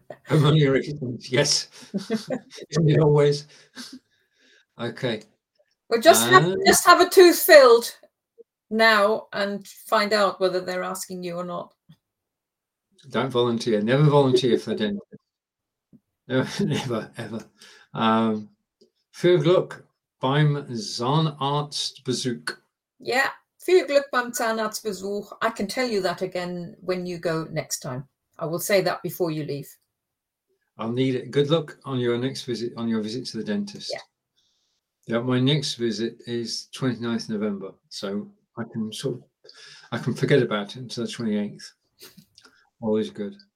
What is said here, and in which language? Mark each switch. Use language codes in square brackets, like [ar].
[en] Yes. Isn't it always? Okay. Well, just have a tooth filled now and find out whether they're asking you or not. Don't volunteer. Never volunteer for dinner. No, never, ever. [de] Viel Glück beim Zahnarztbesuch. Yeah, viel Glück beim Zahnarztbesuch. [en] I can tell you that again when you go next time. I will say that before you leave. I'll need it. Good luck on your next visit, on your visit to the dentist. Yeah. Yeah, my next visit is 29th November, so I can forget about it until the 28th. Always good.